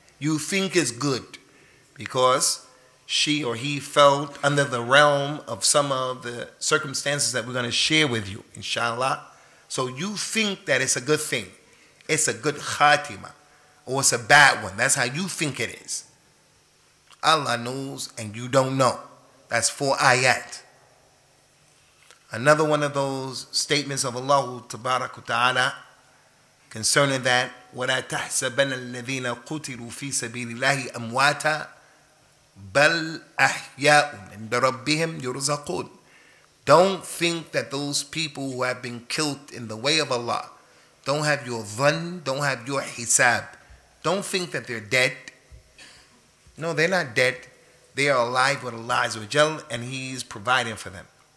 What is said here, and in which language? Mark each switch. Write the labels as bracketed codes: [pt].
[en] You think it's good because she or he felt under the realm of some of the circumstances that we're going to share with you, inshallah. So you think that it's a good thing. It's a good khatima, or it's a bad one. That's how you think it is. Allah knows and you don't know. That's four ayat. Another one of those statements of Allah tabarak wa ta'ala concerning that, [ar] وَلَا تَحْسَبَنَ الَّذِينَ قُتِلُوا فِي سَبِيلِ اللَّهِ أَمْوَاتًا بَلْ أَحْيَاءٌ عِنْدَ رَبِّهِمْ يُرْزَقُونَ. [en] Don't think that those people who have been killed in the way of Allah, don't have your dhan, don't have your hisab, don't think that they're dead. No, they're not dead. They are alive with Allah Azza wa Jal, and He's providing for them.